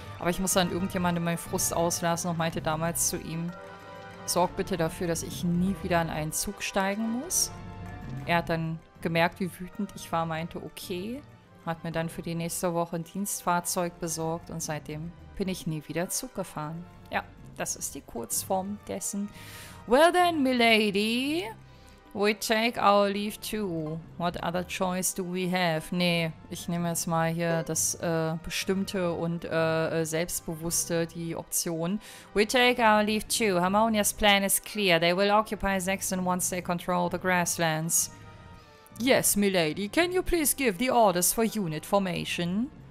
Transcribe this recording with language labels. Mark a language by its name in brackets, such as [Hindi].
[German] Aber ich muss dann irgendjemandem meinen Frust auslassen und meinte damals zu ihm, sorg bitte dafür, dass ich nie wieder in einen Zug steigen muss. Er hat dann gemerkt, wie wütend ich war, meinte okay, hat mir dann für die nächste Woche ein Dienstfahrzeug besorgt und seitdem bin ich nie wieder Zug gefahren. Ja, das ist die Kurzform dessen. [English] Well then, milady, we take our leave too. What other choice do we have? [German] Nee, ich nehme jetzt mal hier das bestimmte und selbstbewusste, die Option. [English] We take our leave too. Harmonia's plan is clear. They will occupy Saxon once they control the grasslands. Yes, milady. Can you please give the orders for unit formation?